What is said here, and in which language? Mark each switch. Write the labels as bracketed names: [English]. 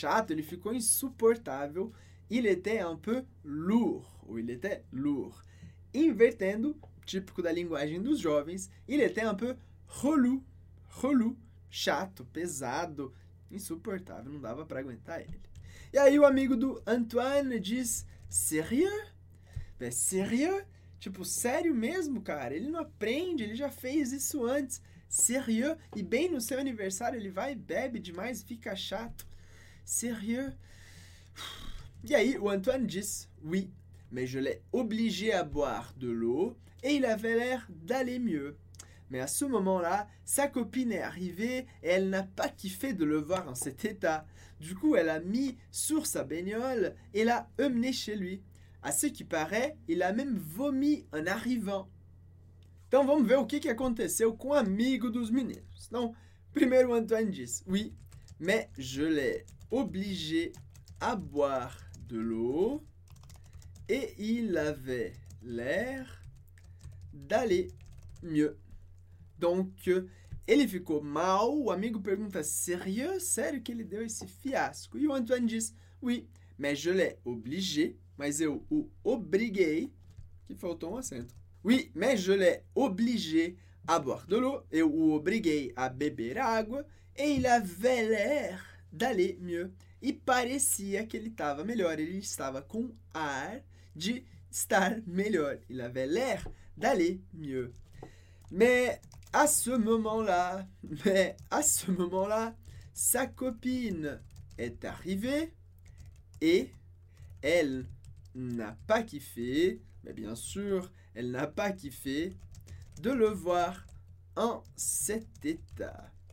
[Portuguese] Ele ficou insuportável. [French] Il était un peu lourd, ou il était lourd. [Portuguese] Invertendo, típico da linguagem dos jovens, [French] il était un peu relou, [Portuguese] relou, chato, pesado, insuportável, não dava para aguentar ele. E aí o amigo do Antoine diz, [French] sérieux? Ben, sérieux? [Portuguese] Tipo, sério mesmo, cara? Ele não aprende, ele já fez isso antes. Sérieux? E bem no seu aniversário ele vai, bebe demais, fica chato. [French] Sérieux? [Portuguese] E aí o Antoine diz, [French] oui, mais je l'ai obligé à boire de l'eau. Et il avait l'air d'aller mieux. Mais à ce moment-là, sa copine est arrivée et elle n'a pas kiffé de le voir en cet état. Du coup, elle a mis sur sa bagnole et l'a emmené chez lui. À ce qui paraît, il a même vomi en arrivant. [Portuguese] Então, vamos ver o que aconteceu com o amigo dos meninos. Então, primeiro Antoine diz, [French] oui, mais je l'ai obligé à boire de l'eau et il avait l'air d'aller mieux. [Portuguese] Donc, ele ficou mal, o amigo pergunta, sérieux, sério que ele deu esse fiasco? E o Antoine diz, [French] oui, mais je l'ai obligé, [Portuguese] mas eu o obriguei, que faltou um acento. [French] Oui, mais je l'ai obligé à boire de l'eau, [Portuguese] eu o obriguei a beber água, [French] et il avait l'air d'aller mieux. [Portuguese] E parecia que ele estava melhor, ele estava com ar de estar melhor. [French] Il avait l'air d'aller mieux. Mais à ce moment-là, sa copine est arrivée et elle n'a pas kiffé, mais bien sûr, elle n'a pas kiffé de le voir en cet état.